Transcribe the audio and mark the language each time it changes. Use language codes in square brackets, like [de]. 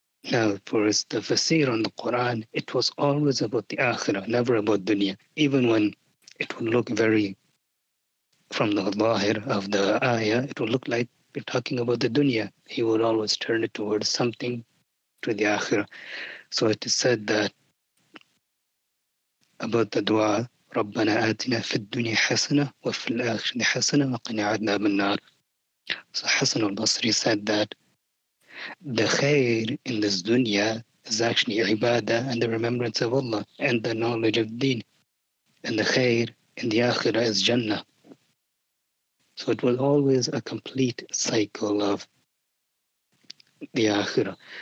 [en] Now, for the fasir on the Quran, it was always about the akhirah, never about dunya. Even when it would look very, from the zahir of the ayah, it would look like we're talking about the dunya. He would always turn it towards something, to the akhirah. So it is said that about the dua, [ar] رَبَّنَا آتِنَا فِي الدُّنْيَا حَسَنَةً وَفِي الْآخِرَةِ حَسَنَةً وَقِنَا عَذَابَ النَّارِ. [en] So Hassan al-Basri said that the khair in this dunya is actually ibadah and the remembrance of Allah and the knowledge of deen. And the khair in the akhirah is Jannah. So it was always a complete cycle of the akhirah.